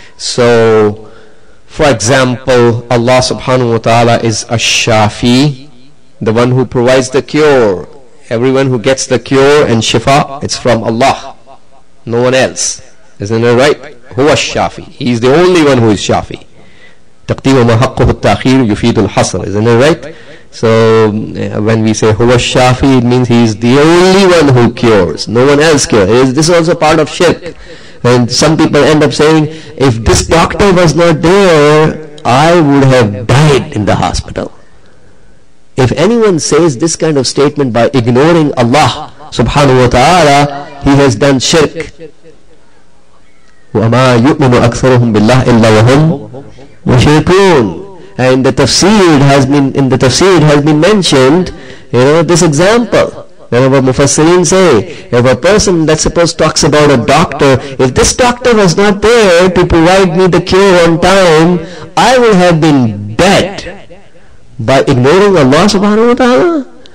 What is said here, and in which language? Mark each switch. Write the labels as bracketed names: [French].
[English] So, for example, Allah subhanahu wa ta'ala is Ash-Shafi, the one who provides the cure. Everyone who gets the cure and shifa, it's from Allah, no one else. Isn't it right? Who is Shafi? He's the only one who is Shafi. [Arabic] تقديم ما حقه التأخير يفيد الحصر. [English] Isn't it right? So when we say [Arabic] هو الشافي, [English] it means he is the only one who cures. No one else cures. This is also part of shirk. And some people end up saying, if this doctor was not there, I would have died in the hospital. If anyone says this kind of statement by ignoring Allah subhanahu wa ta'ala, he has done shirk. [Arabic] وما يؤمن أكثرهم بالله إلا وهم مشركون. [English] And the tafsir has been, in the tafsir has been mentioned, you know, this example. Then our mufassirin say, if a person, let's suppose, talks about a doctor, if this doctor was not there to provide me the cure on time, I would have been dead by ignoring Allah subhanahu wa ta'ala.